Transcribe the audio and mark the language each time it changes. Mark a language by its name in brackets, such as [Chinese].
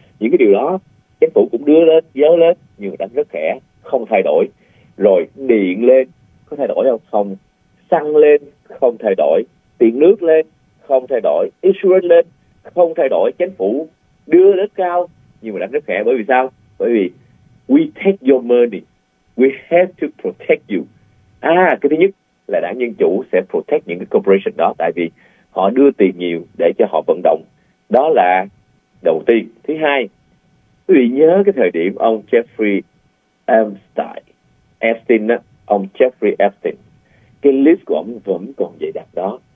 [Vietnamese] Những cái điều đó, chính phủ cũng đưa lên, dớ lên, nhưng mà đánh rất khẽ, không thay đổi. Rồi điện lên, có thay đổi không? Không. Xăng lên, không thay đổi. Tiền nước lên, không thay đổi. Insurance lên, không thay đổi. Chính phủ đưa rất cao, nhưng mà đánh rất khẽ. Bởi vì sao? Bởi vì [English] we take your money, we have to protect you. [Vietnamese] À, cái thứ nhất là đảng Dân Chủ sẽ protect những cái corporation đó, tại vì họ đưa tiền nhiều để cho họ vận động. Đó là đầu tiên. Thứ hai, quý vị nhớ cái thời điểm ông Jeffrey Epstein, ông Jeffrey Epstein, cái list của ông vẫn còn dày đặc đó.